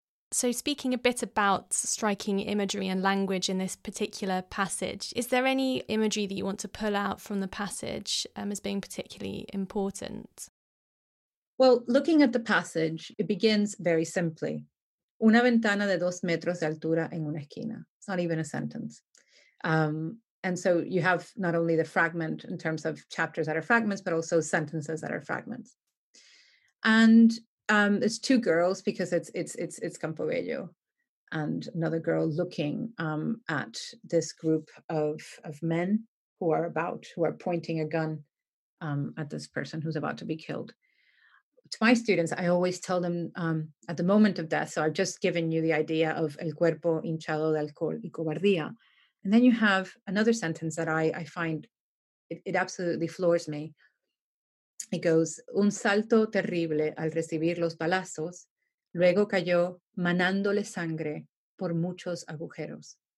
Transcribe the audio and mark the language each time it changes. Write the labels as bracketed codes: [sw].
[en] So speaking a bit about striking imagery and language in this particular passage, is there any imagery that you want to pull out from the passage as being particularly important? Well, looking at the passage, it begins very simply. [es] Una ventana de dos metros de altura en una esquina. [en] It's not even a sentence. And so you have not only the fragment in terms of chapters that are fragments, but also sentences that are fragments. And it's two girls, because it's Campo Bello and another girl looking at this group of men who are pointing a gun at this person who's about to be killed. To my students, I always tell them at the moment of death, so I've just given you the idea of [es] el cuerpo hinchado de alcohol y cobardía. [en] And then you have another sentence that I find it absolutely floors me. It goes, [es] un salto terrible al recibir los balazos, luego cayó manándole sangre por muchos agujeros.